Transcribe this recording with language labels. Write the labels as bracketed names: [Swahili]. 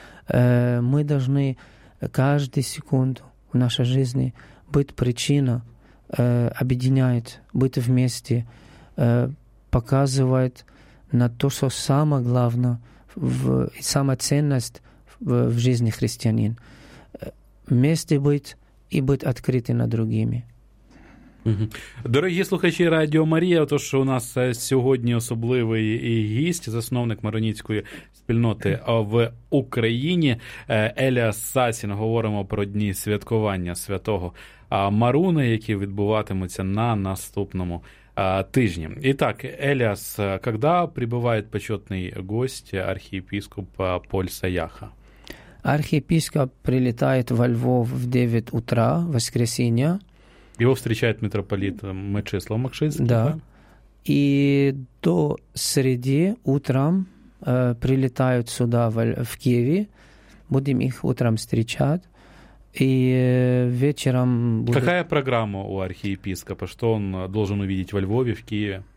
[Russian] Мы должны каждую секунду в нашей жизни быть причина, объединять, быть вместе, показывать на то, что самое главное, самая ценность в жизни христианин. Вместе быть и быть открыты на другими. [Ukrainian] Дорогі слухачі Радіо Марія, то, що у нас сьогодні особливий гість, засновник Маронітської спільноти в Україні, Еліас Сасін. Говоримо про дні святкування святого Маруна, які відбуватимуться на наступному тижні. [Russian] Итак, [Ukrainian] Еліас, коли прибуває почетний гость, архієпископ Поль Саяха? [Russian] Архієпископ прилітає во Львов в 9 утра, воскресіння. Его встречает митрополит Мячеслав Мокшицкий. Да. И до среды утром прилетают сюда в Киеве. Будем их утром встречать. И вечером... Какая программа у архиепископа? Что он должен увидеть во Львове, в Киеве?